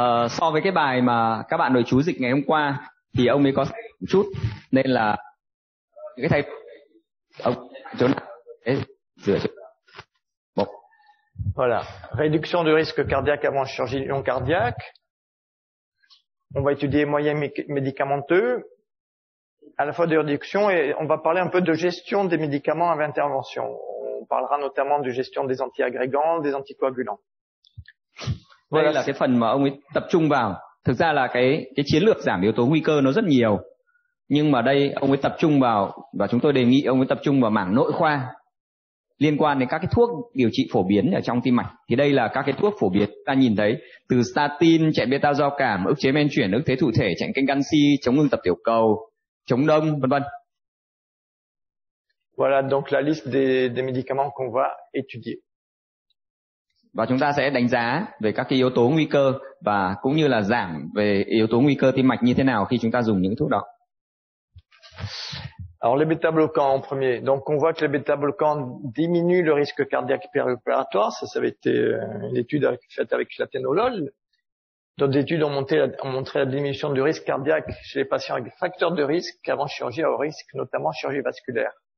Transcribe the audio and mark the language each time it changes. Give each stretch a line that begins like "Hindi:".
Vietnamese: So với cái bài mà các bạn nội chú dịch ngày hôm qua, thì ông ấy có một chút, nên là những cái thầy ông chỗ nào rửa chỗ.
French: Bon. Voilà. Réduction du risque cardiaque avant chirurgie non cardiaque. On va étudier les moyens médicamenteux. À la fois de réduction et on va parler un peu de gestion des médicaments avec intervention. On parlera notamment de gestion des antiagrégants, des anticoagulants. Voilà.
Vietnamese: Đây là cái phần mà ông ấy tập trung vào. Thực ra là cái chiến lược giảm yếu tố nguy cơ nó rất nhiều. Nhưng mà đây ông ấy tập trung vào và chúng tôi đề nghị ông ấy tập trung vào mảng nội khoa liên quan đến các cái thuốc điều trị phổ biến ở trong tim mạch. Thì đây là các cái thuốc phổ biến ta nhìn thấy từ statin, chạy beta giao cảm, ức chế men chuyển, ức chế thụ thể, chạy kênh canxi, chống ngưng tập tiểu cầu, chống đông, vân vân.
French: Voilà donc la liste des médicaments qu'on va étudier.
Vietnamese: Và chúng ta sẽ đánh giá về các cái yếu tố nguy cơ và cũng như là giảm về yếu tố nguy cơ tim mạch như thế nào khi chúng ta dùng những thuốc đó.
French: Alors les bêta bloquants en premier. Donc on voit que les bêta bloquants diminuent le risque cardiaque préopératoire, ça avait été une étude faite avec l'athénolol. D'autres études ont montré la diminution du risque cardiaque chez les patients avec facteurs de risque avant chirurgie à haut risque, notamment chirurgie vasculaire.